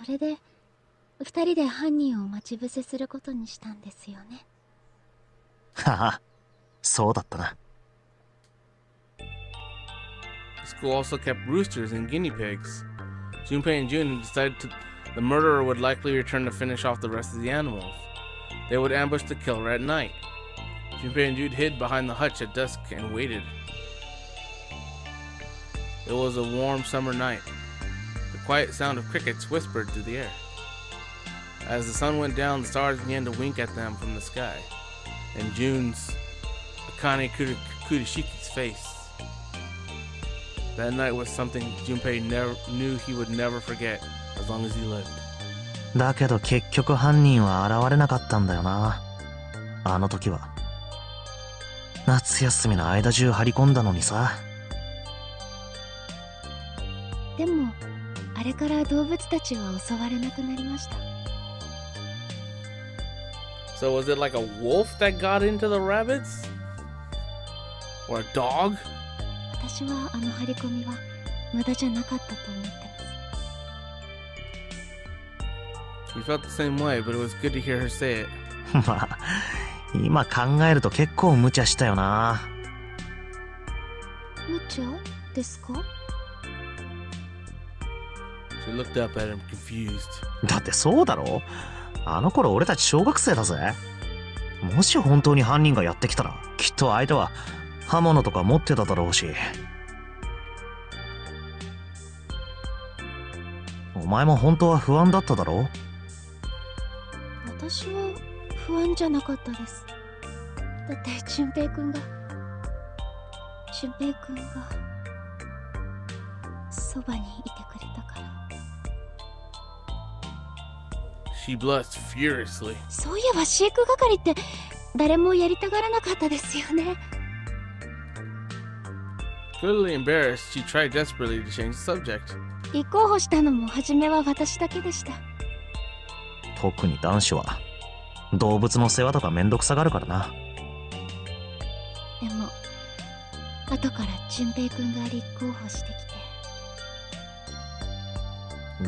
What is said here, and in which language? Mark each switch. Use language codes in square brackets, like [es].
[ja] それで、二人で犯人を待ち伏せすることにしたんですよね。ははそうだったな。 [en] The school also kept roosters and guinea pigs. Junpei and Jun decided the murderer would likely return to finish off the rest of the animals. They would ambush the killer at night. Junpei and Jun hid behind the hutch at dusk and waited. It was a warm summer night. The quiet sound of crickets whispered through the air. As the sun went down, the stars began to wink at them from the sky, and Jun's Akane Kurashiki's face. That night was something Junpei never knew he would never forget as long as he lived. [ja] だけど結局犯人は現れなかったんだよな。あの時は。夏休みの間中張り込んだのにさ。でも、あれから動物たちは襲われなくなりました。 [en] So was it like a wolf that got into the rabbits? Or a dog? [ja] 私はあの張り込みは無駄じゃなかったと思ってます。 [en] We felt the same way, but it was good to hear her say it. [ja] まあ、今考えると結構無茶したよな。無茶ですか？ [en] She looked up at him, confused. [ja] だってそうだろ？あの頃俺たち小学生だぜ。もし本当に犯人がやってきたら、きっと相手は刃物とか持ってただろうし。お前も本当は不安だっただろう。私は不安じゃなかったです。だって純平くんが純平くんがそばにいてくれたから。 [en] She blushed furiously. [ja] そういえば飼育係って誰もやりたがらなかったですよね。 [en] Clearly embarrassed, she tried desperately to change the subject. [ja] 立候補したのも初めは私だけでした。特に男子は動物の世話とか面倒くさがるからな。でも後から純平くんが立候補してきて。